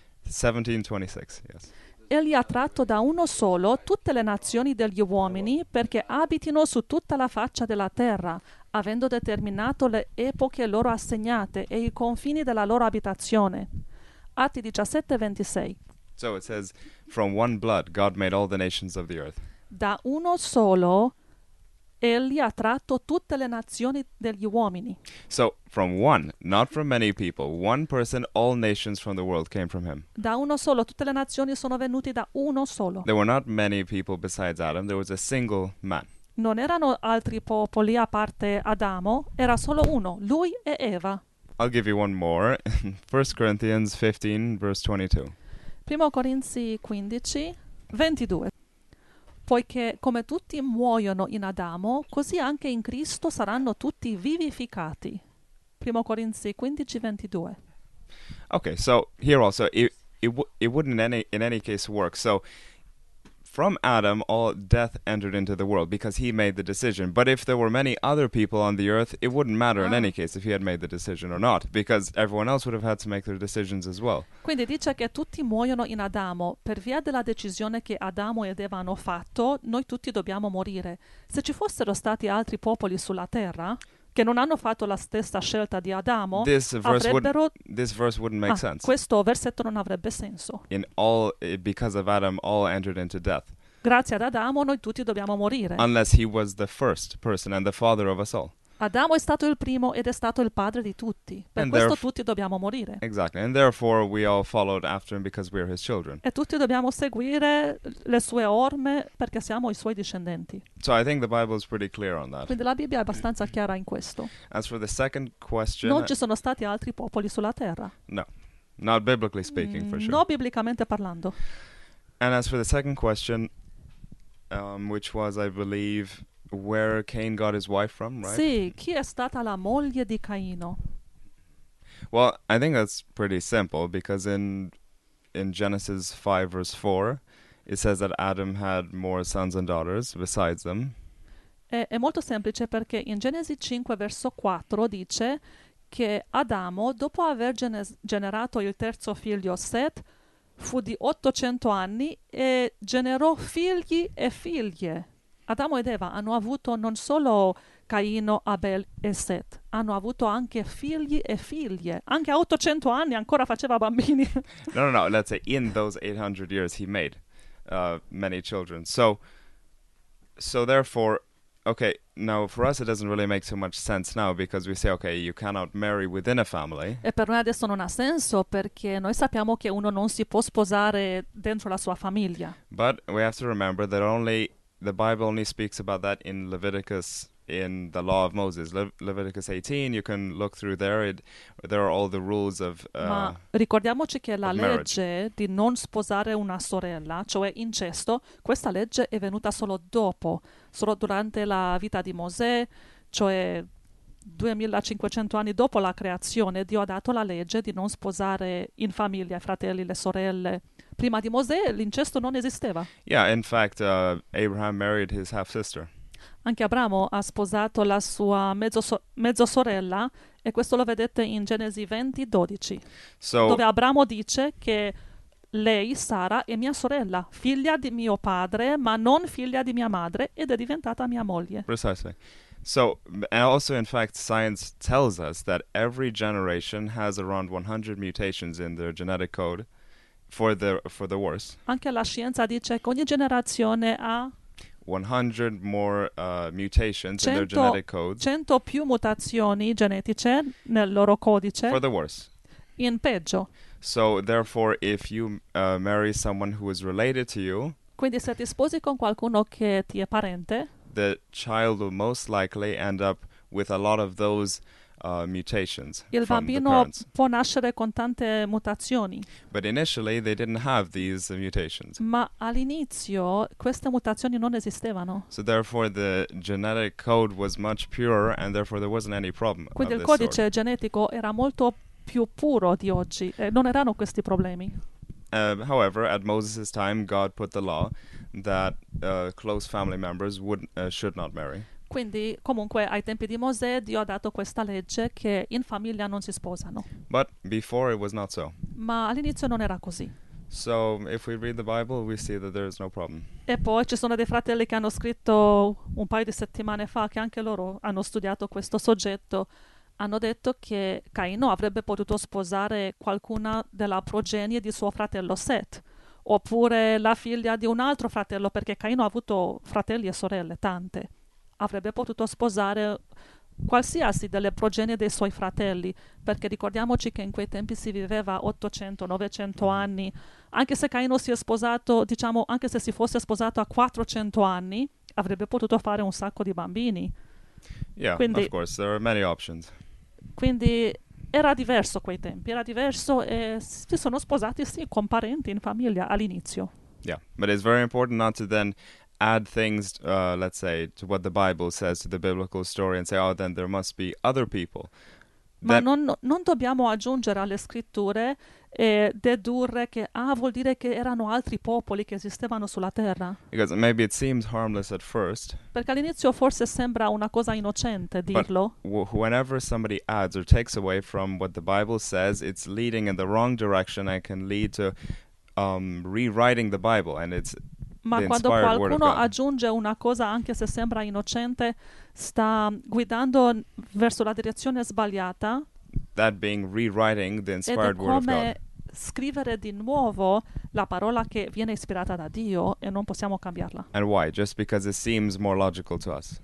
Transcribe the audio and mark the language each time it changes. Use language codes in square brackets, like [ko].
[en] 17:26, yes. [it] Egli ha tratto da uno solo tutte le nazioni degli uomini perché abitino su tutta la faccia della terra, avendo determinato le epoche loro assegnate e I confini della loro abitazione. Atti 17:26. [en] So it says, from one blood God made all the nations of the earth. [it] Da uno solo Egli ha tratto tutte le nazioni degli uomini. [en] So, from one, not from many people, one person, all nations from the world came from him. [it] Da uno solo, tutte le nazioni sono venute da uno solo. [en] There were not many people besides Adam, there was a single man. [it] Non erano altri popoli a parte Adamo, era solo uno, lui e Eva. [en] I'll give you one more. 1 Corinthians 15, verse 22. [it] Primo Corinzi 15, 22. Poiché come tutti muoiono in Adamo, così anche in Cristo saranno tutti vivificati. Primo Corinzi 15, 22. [en] Okay, so here also, it wouldn't in any case work. So, from Adam, all death entered into the world because he made the decision. But if there were many other people on the earth, it wouldn't matter in any case if he had made the decision or not, because everyone else would have had to make their decisions as well. [it] Quindi dice che tutti muoiono in Adamo. Per via della decisione che Adamo ed Eva hanno fatto, noi tutti dobbiamo morire. Se ci fossero stati altri popoli sulla terra che non hanno fatto la stessa scelta di Adamo, [en] this verse wouldn't make sense. [it] Questo versetto non avrebbe senso. [en] In all, because of Adam, all entered into death. [it] Grazie ad Adamo, noi tutti dobbiamo morire. [en] Unless he was the first person and the father of us all. [it] Adamo è stato il primo ed è stato il padre di tutti. Per questo tutti dobbiamo morire. [en] Exactly, and therefore we all followed after him because we are his children. [it] E tutti dobbiamo seguire le sue orme perché siamo I suoi discendenti. [en] So I think the Bible is pretty clear on that. [it] Quindi la Bibbia è abbastanza chiara in questo. [en] As for the second question, [it] non ci sono stati altri popoli sulla terra. [en] No, not biblically speaking, for sure. [it] No, biblicamente parlando. [en] And as for the second question, which was, I believe, where Cain got his wife from, right? [it] Sì, chi è stata la moglie di Caino? [en] Well, I think that's pretty simple because in Genesis 5 verse 4 it says that Adam had more sons and daughters besides them. [it] È molto semplice perché in Genesi 5 verso 4 dice che Adamo, dopo aver generato il terzo figlio Seth, fu di 800 anni e generò figli e figlie. Adamo ed Eva hanno avuto non solo Caino, Abel e Seth, hanno avuto anche figli e figlie. Anche a 800 anni ancora faceva bambini. No. [en] Let's say in those 800 years he made many children. So therefore, okay, now for us it doesn't really make so much sense now because we say, okay, you cannot marry within a family. [it] E per noi adesso non ha senso perché noi sappiamo che uno non si può sposare dentro la sua famiglia. [en] But we have to remember that only... The Bible only speaks about that in Leviticus, in the law of Moses. Leviticus 18, you can look through there. There are all the rules of [it] Ma ricordiamoci che la legge di non sposare una sorella, cioè incesto, questa legge è venuta solo dopo, solo durante la vita di Mosè, cioè 2500 anni dopo la creazione, Dio ha dato la legge di non sposare in famiglia I fratelli, le sorelle. Prima di Mosè l'incesto non esisteva. [en] Yeah, in fact, Abraham married his half-sister. [it] Anche Abramo ha sposato la sua mezzo-sorella, e questo lo vedete in Genesi 20, 12, dove Abramo dice che lei, Sara, è mia sorella, figlia di mio padre, ma non figlia di mia madre, ed è diventata mia moglie. [en] Precisely. So, and also, in fact, science tells us that every generation has around 100 mutations in their genetic code. For the worse. [it] Anche la scienza dice che ogni generazione ha [en] 100 more mutations 100, in their genetic codes. [it] 100 più mutazioni genetiche nel loro codice. [en] For the worse. [it] In peggio. [en] So therefore, if you marry someone who is related to you, [it] quindi se ti sposi con qualcuno che ti è parente, [en] the child will most likely end up with a lot of those mutations. [it] Il bambino può nascere con tante mutazioni. [en] But initially they didn't have these mutations. [it] Ma all'inizio queste mutazioni non esistevano. [en] So therefore the genetic code was much purer and therefore there wasn't any problem. [it] Quindi il codice genetico era molto più puro di oggi e non erano questi problemi. [en] However, at Moses' time, God put the law that close family members should not marry. [it] Quindi, comunque, ai tempi di Mosè, Dio ha dato questa legge che in famiglia non si sposano. [en] But before it was not so. [it] Ma all'inizio non era così. [en] So, if we read the Bible, we see that there is no problem. [it] E poi ci sono dei fratelli che hanno scritto un paio di settimane fa che anche loro hanno studiato questo soggetto. Hanno detto che Caino avrebbe potuto sposare qualcuna della progenie di suo fratello Seth, oppure la figlia di un altro fratello, perché Caino ha avuto fratelli e sorelle, tante. Avrebbe potuto sposare qualsiasi delle progenie dei suoi fratelli, perché ricordiamoci che in quei tempi si viveva 800-900 anni. Anche se Caino si è sposato, diciamo, anche se si fosse sposato a 400 anni, avrebbe potuto fare un sacco di bambini. [en] Yeah, quindi, of course, there are many options. [it] Quindi era diverso quei tempi, era diverso e si sono sposati, sì, con parenti, in famiglia, all'inizio. [en] Yeah, but it's very important not to then add things, let's say, to what the Bible says, to the biblical story, and say, oh, then there must be other people. [it] Ma non dobbiamo aggiungere alle scritture e dedurre che, ah, vuol dire che erano altri popoli che esistevano sulla terra. [en] Because maybe it seems harmless at first. [it] Perché all'inizio forse sembra una cosa innocente dirlo. [en] But whenever somebody adds or takes away from what the Bible says, it's leading in the wrong direction and can lead to rewriting the Bible. And it's [it] ma quando qualcuno aggiunge una cosa, anche se sembra innocente, sta guidando verso la direzione sbagliata. [en] That being rewriting the inspired word of God. [it] Ed è come scrivere di nuovo la parola che viene ispirata da Dio e non possiamo cambiarla. [en] And why? Just because it seems more logical to us.